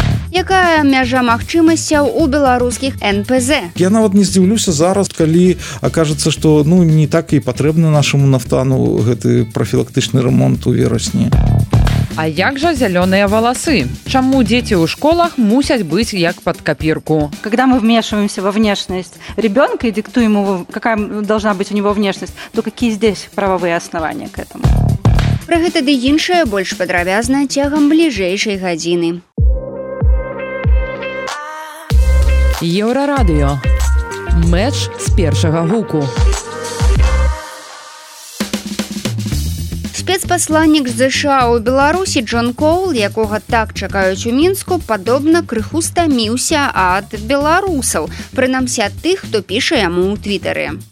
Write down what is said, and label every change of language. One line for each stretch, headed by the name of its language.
Belarusian: Якая мяжа магчымасцяў у беларускіх НПЗ? Я нават не здзіўлюся зараз, калі акажацца, што ну не так і патрэбна нашаму нафтану гэты прафілактычны рамонт у верасні. А як жа зялёныя валасы? Чаму дзеці ў школах мусяць быць як пад капірку?
Russian: Когда мы вмешиваемся во внешность ребёнка и диктуем ему, какая должна быть у него внешность, то какие здесь правовые основания к этому?
Belarusian: Пра гэта ды іншае больш падрабязна цягам бліжэйшай гадзіны. Еўрарадыё. Мэтч з першага гуку. Спецпасланнік ЗША ў Беларусі Джон Коул, якога так чакаюць у Мінску, падобна крыху стаміўся ад беларусаў, прынамсі ад тых, хто піша яму ў Твітары.